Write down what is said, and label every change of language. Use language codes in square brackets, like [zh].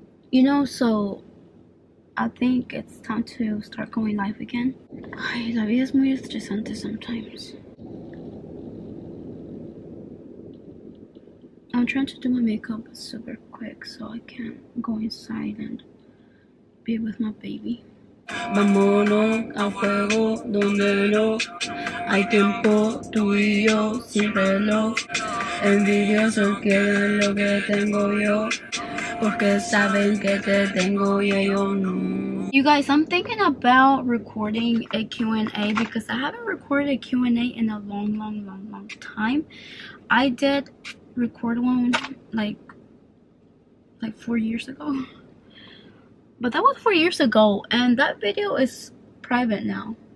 [en] You know, so I think it's time to start going live again. [es] Ay, la vida es muy estresante [en] sometimes. I'm trying to do my makeup super quick so I can go inside and be with my baby. [es] Vámonos a fuego donde no hay tiempo, tú y yo sin reloj. Envidiosos quieren lo que tengo yo, porque saben que te tengo y ellos no. [en] You guys, I'm thinking about recording a Q&A because I haven't recorded a Q&A in a long, long, long, long time. I did record one like 4 years ago, but that was 4 years ago, and that video is private now.